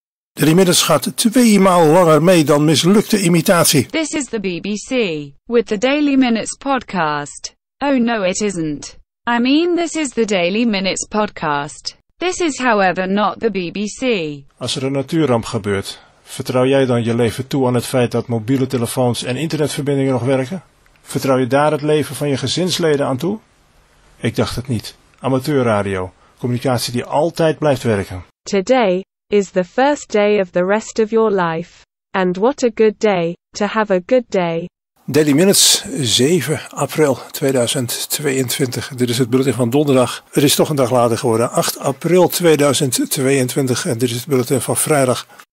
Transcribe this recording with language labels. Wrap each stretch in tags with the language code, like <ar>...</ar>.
<nl>De remiddels gaat twee maal langer mee dan mislukte imitatie.</nl> <en>This is the BBC, with the Daily Minutes podcast. Oh no, it isn't. I mean, this is the Daily Minutes podcast. This is, however, not the BBC.</en> <nl>Als er een natuurramp gebeurt, vertrouw jij dan je leven toe aan het feit dat mobiele telefoons en internetverbindingen nog werken? Vertrouw je daar het leven van je gezinsleden aan toe? Ik dacht het niet. Amateurradio, communicatie die altijd blijft werken.</nl> <en>Today is the first day of the rest of your life. And what a good day to have a good day.</en> <nl>Daily Minutes, 7 april 2022. Dit is het bulletin van donderdag. Het is toch een dag later geworden. 8 april 2022. En dit is het bulletin van vrijdag.</nl>